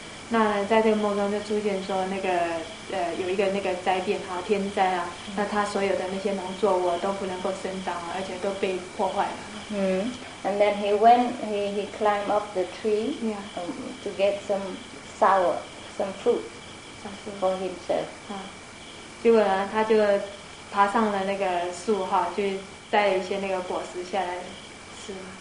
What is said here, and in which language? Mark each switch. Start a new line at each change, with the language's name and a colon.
Chinese: 那在这个梦中就出现说那个有一个那个灾变哈天灾啊， 那他所有的那些农作物都不能够生长了， 而且都被破坏了。
English: And then he went, he climbed up the tree to get some fruit for himself.
Chinese: 结果呢他就爬上了那个树哈， 去摘一些那个果实下来吃。